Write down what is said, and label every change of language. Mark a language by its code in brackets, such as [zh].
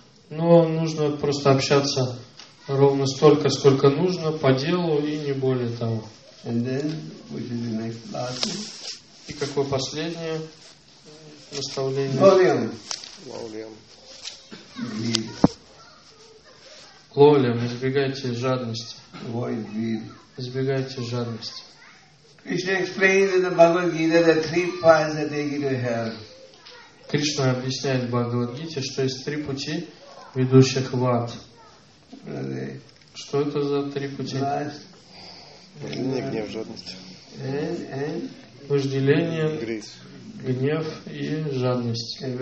[ru] Но нужно просто общаться ровно столько, сколько нужно, по делу и не более того. [en] And then, which is the next last one? [ru] И какое последнее наставление? [sa] Лолиам. Лолиам. [en] Greed. [ru] Лолиам, избегайте жадности. [en] Avoid greed. [ru] Избегайте жадности. [en] Krishna explains in the Bhagavad Gita that three paths that take you to hell. [ru] Кришна объясняет в Бхагавад Гите, что есть три пути, ведущих в ад. Что это за три пути? Вожделение, гнев, жадность. Вожделение, гнев и жадность.